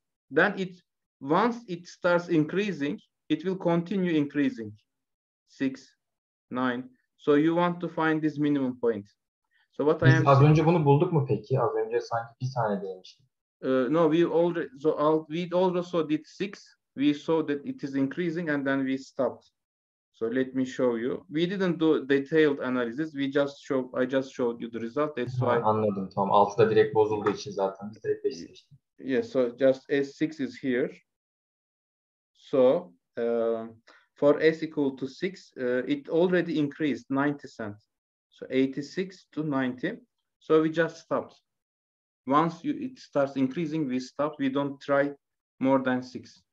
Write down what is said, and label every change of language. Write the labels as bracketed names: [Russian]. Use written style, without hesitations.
[English] Then it, once it starts increasing, it will continue increasing. 6, 9. So you want to find this minimum point. So what [Turkish] biz [English] I am. [Turkish] Az önce bunu bulduk mu peki? Az önce sanki bir tane demiştim. [English] No, we also did 6. We saw that it is increasing and then we stopped. So let me show you. We didn't do detailed analysis. I just showed you the result. That's why. [Turkish] Anladım, tamam. Altıda direkt bozulduğu için zaten biz direkt 5 seçtik. [English] Yeah, so just S6 is here. So for S equal to 6, it already increased 90 cents. So 86 to 90. So we just stopped. Once it starts increasing, we stop. We don't try more than 6.